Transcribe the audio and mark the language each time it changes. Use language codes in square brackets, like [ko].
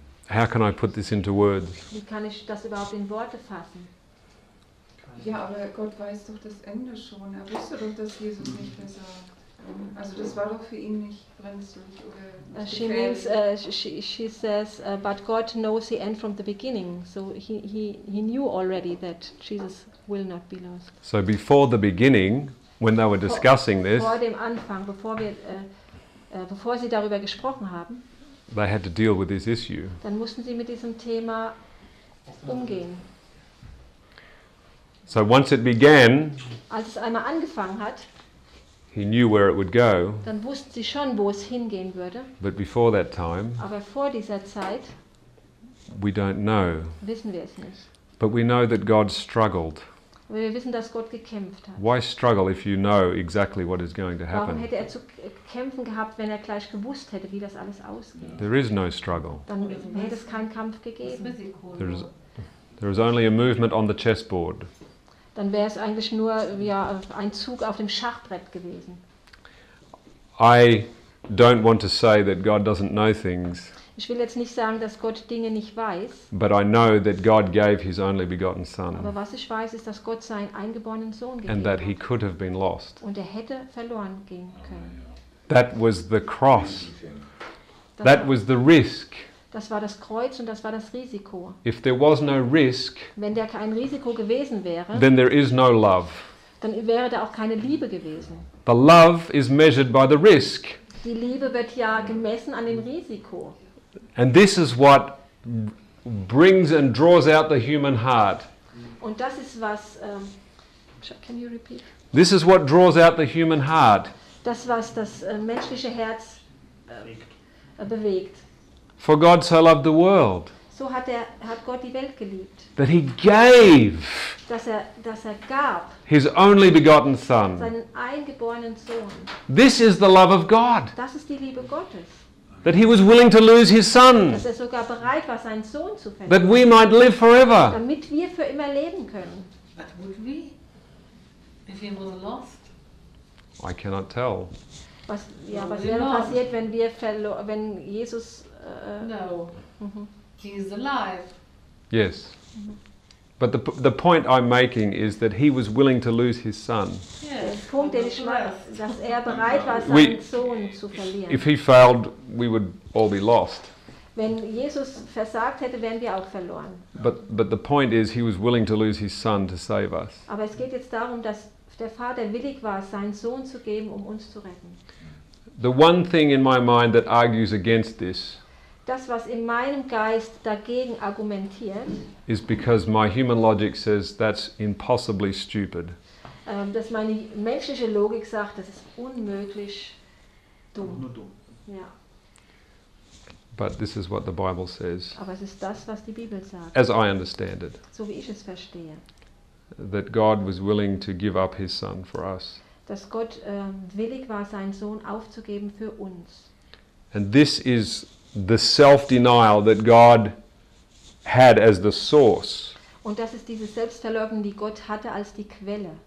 [en] How can I put this into words? [de] Wie kann ich das überhaupt in Worte fassen? Ja, aber Gott weiß doch das Ende schon. Er wusste doch, dass Jesus nicht mehr sagt. Also das war doch für ihn nicht brenzlig oder nicht gefährlich. [en] She says, but God knows the end from the beginning. So he knew already that Jesus will not be lost. So before the beginning, when they were discussing this, [de] vor dem Anfang, bevor sie darüber gesprochen haben, [en] they had to deal with this issue. [de] Dann mussten sie mit diesem Thema umgehen. [en] So once it began, [de] als es einmal angefangen hat, [en] he knew where it would go. [de] Dann wussten sie schon, wo es hingehen würde. [en] But before that time, [de] aber vor dieser Zeit, [en] we don't know. [de] Wissen wir es nicht. [en] But we know that God struggled. [de] Wir wissen, dass Gott gekämpft hat. [en] Why struggle if you know exactly what is going to happen? [de] Warum hätte er zu kämpfen gehabt, wenn er gleich gewusst hätte, wie das alles ausgeht? [en] There is no struggle. [de] Dann hätte es keinen Kampf gegeben. [en] There is only a movement on the chessboard. [de] Dann wäre es eigentlich nur ja, ein Zug auf dem Schachbrett gewesen. [en] I don't want to say that God doesn't know things. [de] Ich will jetzt nicht sagen, dass Gott Dinge nicht weiß. [en] But I know that God gave his only begotten son. [de] Aber was ich weiß, ist, dass Gott seinen eingeborenen Sohn gegeben [en] and that [de] hat. [en] He could have been lost. [de] Und er hätte verloren gehen können. [en] That was the cross. That was the risk. [de] Das war das Kreuz und das war das Risiko. [en] If there was no risk, [de] wenn da kein Risiko gewesen wäre, [en] then there is no love. [de] Dann wäre da auch keine Liebe gewesen. [en] The love is measured by the risk. [de] Die Liebe wird ja gemessen an dem Risiko. [en] And this is what brings and draws out the human heart. [de] Und das ist was, [en] can you repeat? This is what draws out the human heart. [de] Das, was das menschliche Herz bewegt. [en] For God so loved the world. [de] So hat Gott die Welt geliebt. [en] That he gave. [de] Dass er gab. [en] His only begotten son. [de] Seinen eingeborenen Sohn. [en] This is the love of God. [de] Das ist die Liebe Gottes. [en] That he was willing to lose his son. [de] Dass er sogar bereit war, seinen Sohn zu verlieren. [en] That we might live forever. [de] Damit wir für immer leben können. [en] But would we? If he was lost? I cannot tell. [de] Was, ja, was wäre passiert, wenn wir wenn Jesus... [en] No. Mm-hmm. He is alive. Yes. Mm-hmm. But the point I'm making is that he was willing to lose his son. Yes. [de] Punkt, den ich mache, dass er bereit war, seinen Sohn zu verlieren. [en] If he failed, we would all be lost. [de] Wenn Jesus versagt hätte, wären wir auch verloren. [en] But the point is, he was willing to lose his son to save us. [de] Aber es geht jetzt darum, dass der Vater willig war, seinen Sohn zu geben, um uns zu retten. [en] The one thing in my mind that argues against this. [de] das, was in meinem Geist dagegen argumentiert, [en] is because my human logic says that's impossibly stupid. [de] Dass meine menschliche Logik sagt, das ist unmöglich dumm. Nur dumm. Ja. [en] But this is what the Bible says. [de] Aber es ist das, was die Bibel sagt. [en] As I understand it. [de] So wie ich es verstehe. [en] That God was willing to give up his son for us. [de] Dass Gott willig war, seinen Sohn aufzugeben für uns. [en] And this is the self-denial that God had as the source. [de] Und das ist diese Selbstverleugnung, die Gott hatte als die Quelle.